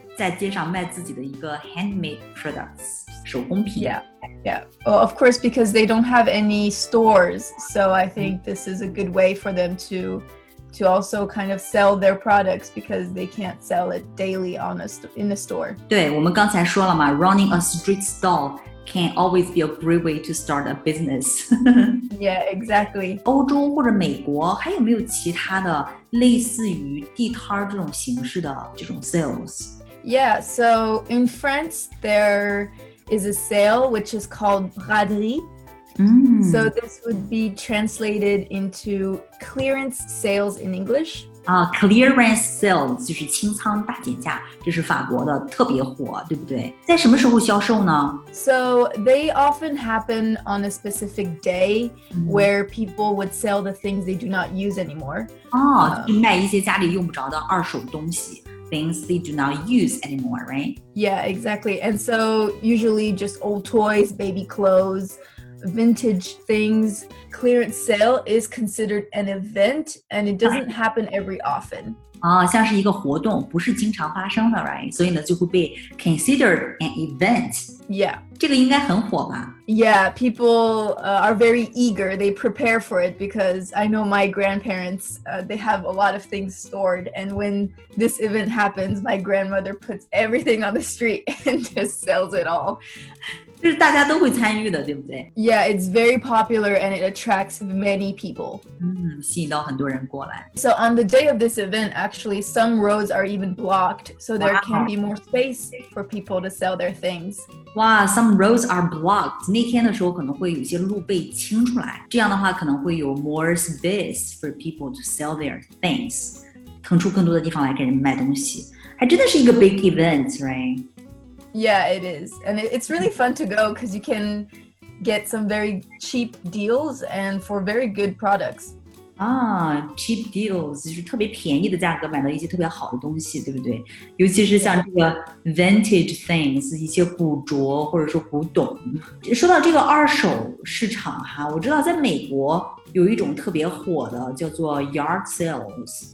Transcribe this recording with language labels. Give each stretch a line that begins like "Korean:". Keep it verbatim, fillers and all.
Chinese: 在街上卖自己的一个 handmade products 手工品
English: yeah, yeah. Well, of course because they don't have any stores so I think this is a good way for them to to also kind of sell their products because they can't sell it daily on a st- in a store
Chinese: 对我们刚才说了嘛
English: running a street stall can always be a great way to start a business yeah exactly
Chinese: 欧洲或者美国还有没有其他的类似于地摊这种形式的这种 sales
English: Yeah, so in France, there is a sale which is called braderie. Mm. So this would be translated into clearance sales in English.
Chinese: Uh, clearance sales 就是清仓大减价，这是法国的特别火，对不对？在什么时候销售呢？
English: So they often happen on a specific day、mm. where people would sell the things they do not use anymore.
Chinese: 哦，就卖一些家里用不着的二手东西。
English: Things they do not use anymore, right? Yeah, exactly. And so usually just old toys, baby clothes, vintage things. Clearance sale is considered an event and it doesn't happen every often.
Chinese: 啊，像是一个活动，不是经常发生的 ，right？所以呢，就会被
English: considered an event. Yeah.
Chinese: 这个应该很火吧
English: Yeah, people、uh, are very eager. They prepare for it because I know my grandparents, uh, they have a lot of things stored. And when this event happens, my grandmother puts everything on the street and just sells it all.
Chinese: 就是大家都会参与的，对不对？
English: Yeah, it's very popular and it attracts many people.
Chinese: 嗯，吸引到很多人过来。
English: So on the day of this event, actually, some roads are even blocked, so there can be more space for people to sell their things. 哇， some roads are blocked.
Chinese: 那天的时候可能会有些路被清出来，这样的话可能会有
English: more space for people to sell their things.
Chinese: 腾出更多的地方来给人卖东西，还真的是一个
English: big event,
Chinese: right?
English: Yeah, it is. And it's really fun to go because you can get some very cheap deals and for very good products.
Chinese: Ah,
English: cheap deals,
Chinese: 就是特别便宜的价格买到一些特别好的东西，对不对？尤其是像这个
English: vintage things,
Chinese: 一些古着或者说古董。说到这个二手市场哈，我知道在美国有一种特别火的叫做 yard sales.